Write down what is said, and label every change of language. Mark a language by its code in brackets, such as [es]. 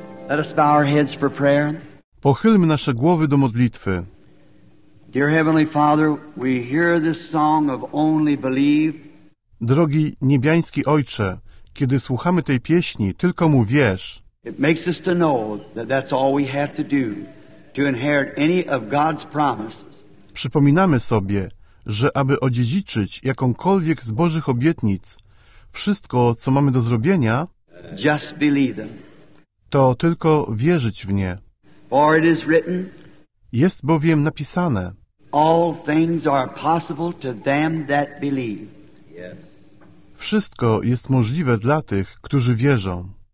[en] Let us bow our heads for prayer. [pl] Pochylmy nasze głowy do modlitwy. [en] Dear Heavenly Father, we hear this song of only believe. [pl] Drogi niebiański Ojcze, kiedy słuchamy tej pieśni, tylko mu wierz. [en] It makes us to know that that's all we have to do to inherit any of God's promises. [pl] Przypominamy sobie, że aby odziedziczyć jakąkolwiek z Bożych obietnic, wszystko, co mamy do zrobienia, [en] just believe them. [pl] To tylko wierzyć w nie. [en] For it is written, [pl] jest bowiem napisane, [en] all things are possible to them that believe. [pl] Wszystko jest możliwe dla tych, którzy wierzą.